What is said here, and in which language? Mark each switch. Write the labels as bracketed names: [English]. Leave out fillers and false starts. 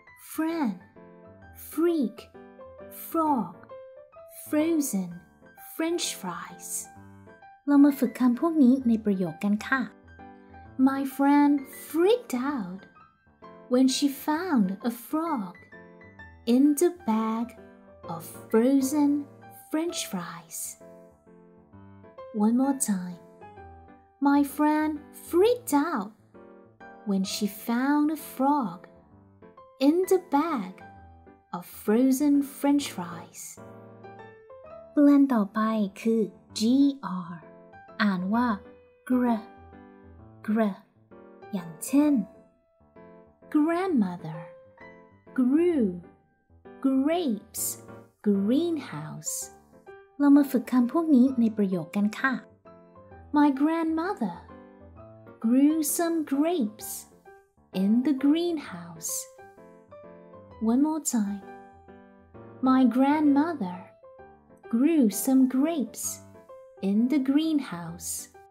[English] friend freak frog frozen french fries [Thai] เรามาฝึกคำพวกนี้ในประโยคกันค่ะ [English] My friend freaked out when she found a frog in the bag of frozen french friesOne more time. My friend freaked out when she found a frog in the bag of frozen french fries. [Thai] Blend ต่อไปคือ GR. อ่านว่า gr gr. อย่างเช่น [English] Grandmother grew grapes greenhouse. [Thai] เรามาฝึกคำพวกนี้ในประโยคกันค่ะ [English] My grandmother grew some grapes in the greenhouse. One more time. My grandmother grew some grapes in the greenhouse.